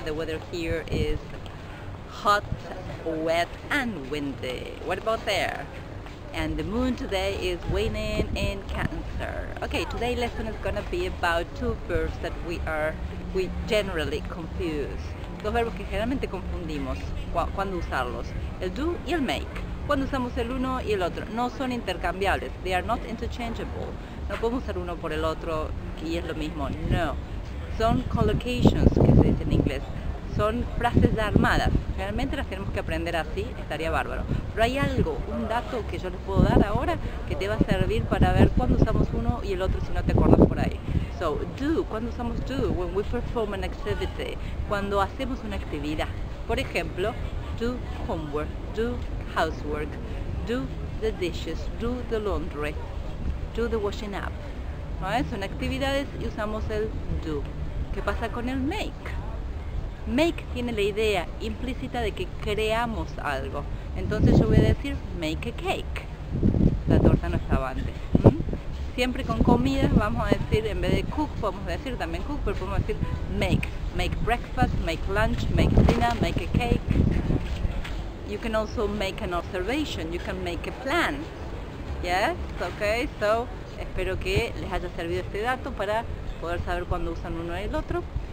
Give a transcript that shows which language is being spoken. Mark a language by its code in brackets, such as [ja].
[en] The weather here is hot, wet, and windy. What about there? And the moon today is waning in Cancer. Okay, today's lesson is going to be about two verbs that we generally confuse. [es] Dos verbos que generalmente confundimos cuando usarlos. El do y el make. Cuando usamos el uno y el otro, no son intercambiables. [en] They are not interchangeable. [es] No podemos usar uno por el otro y es lo mismo. No. Son collocations, que se dice en inglés. Son frases armadas. Generalmente las tenemos que aprender así, estaría bárbaro. Pero hay algo, un dato que yo les puedo dar ahora que te va a servir para ver cuándo usamos uno y el otro si no te acuerdas por ahí. [en] So, do. [es] ¿Cuándo usamos do? [en] When we perform an activity. [es] Cuando hacemos una actividad. Por ejemplo, [en] do homework, do housework, do the dishes, do the laundry, do the washing up. [es] ¿No? Son actividades y usamos el do. ¿Qué pasa con el make? Make tiene la idea implícita de que creamos algo. Entonces yo voy a decir [en] make a cake. [es] La torta no estaba antes. Siempre con comida vamos a decir, en vez de cook, podemos decir también cook, pero podemos decir make. [en] Make breakfast, make lunch, make dinner, make a cake. You can also make an observation, you can make a plan. Yes, okay, [es] so espero que les haya servido este dato para poder saber cuándo usan uno y el otro.